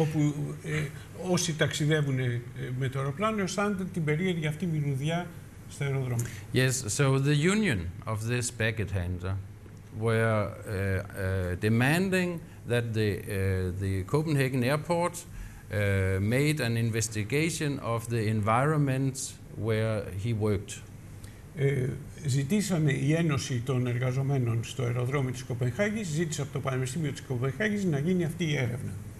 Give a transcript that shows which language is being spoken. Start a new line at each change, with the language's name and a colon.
Greek: Όπου όσοι ταξιδεύουν με το αεροπλάνο αισθάνονται την περίεργη αυτή μυρουδιά στα αεροδρόμια.
English: Yes, so the union of this baggage handler were demanding that the Copenhagen Airport made an investigation of the environment where he worked.
Greek: Ζητήσανε η Ένωση των Εργαζομένων στο αεροδρόμιο της Κοπενχάγης, ζήτησε από το Πανεπιστήμιο της Κοπενχάγης να γίνει αυτή η έρευνα.